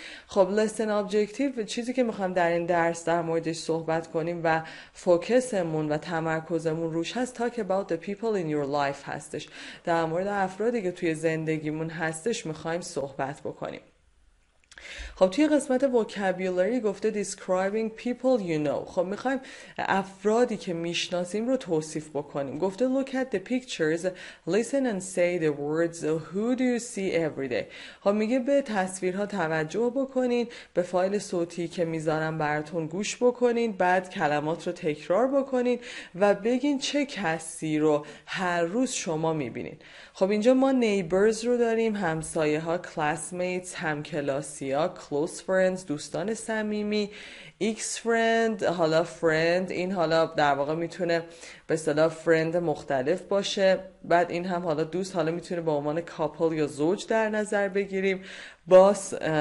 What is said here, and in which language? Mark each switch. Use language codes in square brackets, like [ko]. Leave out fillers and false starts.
[fa] خب لسن ابجکتیو، چیزی که میخوام در این درس در موردش صحبت کنیم و فوکسمون و تمرکزمون روش هست، [en] talk about the people in your life [fa] هستش، در مورد افرادی که توی زندگیمون هستش میخوایم صحبت بکنیم. خب توی قسمت vocabulary گفته [en] describing people you know، [fa] خب میخوایم افرادی که میشناسیم رو توصیف بکنیم. گفته [en] look at the pictures, listen and say the words, who do you see every day. [fa] خب میگه به تصویرها توجه بکنین، به فایل صوتی که میذارم براتون گوش بکنین، بعد کلمات رو تکرار بکنین و بگین چه کسی رو هر روز شما میبینین. خب اینجا ما neighbors رو داریم، همسایه ها، classmates، همکلاسی ها، close friends، دوستان صمیمی، x friend، حالا friend، این حالا در واقع میتونه به اصطلاح friend مختلف باشه، بعد این هم حالا دوست، حالا میتونه به عنوان couple یا زوج در نظر بگیریم، باس